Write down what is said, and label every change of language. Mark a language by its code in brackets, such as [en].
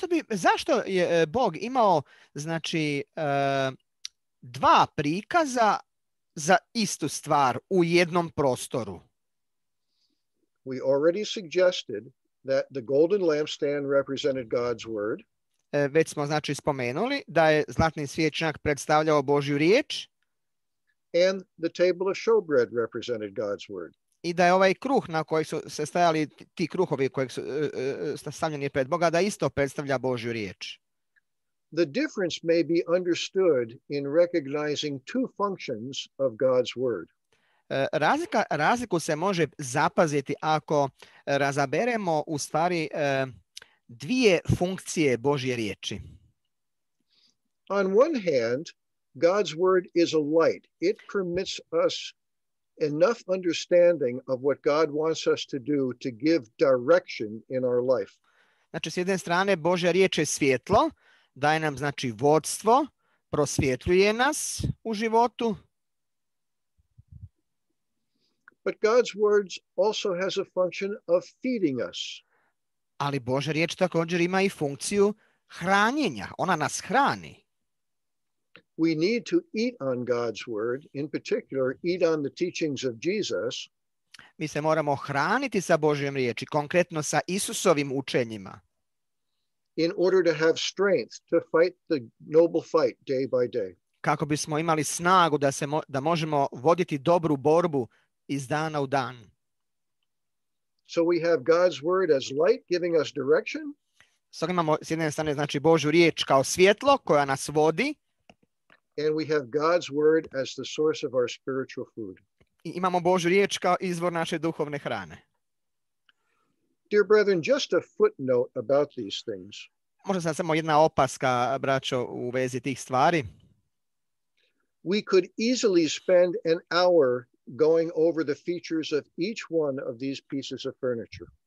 [hr] Zašto je Bog imao, znači, dva prikaza za istu stvar u jednom prostoru? [en] We already suggested that the golden lampstand represented God's word. [hr] Već smo, znači, spomenuli da je zlatni svjećnjak predstavljao Božju riječ. [en] And the table of showbread represented God's word. [hr] I da je ovaj kruh na koji su se stajali ti kruhovi koji su stavljeni pred Boga, da isto predstavlja Božju riječ. [en] The difference may be understood in recognizing two functions of God's word. [hr] Razliku se može zapaziti ako razaberemo u stvari dvije funkcije Božje riječi. [en] On one hand, God's word is a light. It permits us enough understanding of what God wants us to do to give direction in our life. [hr] Znači, s jedne strane, Božja riječ je svjetlo, daje nam, znači, vodstvo, prosvjetljuje nas u životu. [en] But God's words also has a function of feeding us. [hr] Ali Božja riječ također ima i funkciju hranjenja. Ona nas hrani. [en] We need to eat on God's word, in particular, eat on the teachings of Jesus. [hr] Mi se moramo hraniti sa Božjom riječi, konkretno sa Isusovim učenjima. [en] In order to have strength to fight the noble fight day by day. [hr] Kako bismo imali snagu da možemo voditi dobru borbu iz dana u dan. [en] So we have God's word as light giving us direction. [hr] Sad imamo s jedne strane znači Božju riječ kao svjetlo koja nas vodi. [en] And we have God's word as the source of our spiritual food. [hr] I imamo Božju riječ kao izvor naše duhovne hrane. [en] Dear brethren, just a footnote about these things. [hr] Možda sam samo jedna opaska, braćo, u vezi tih stvari. [en] We could easily spend an hour going over the features of each one of these pieces of furniture.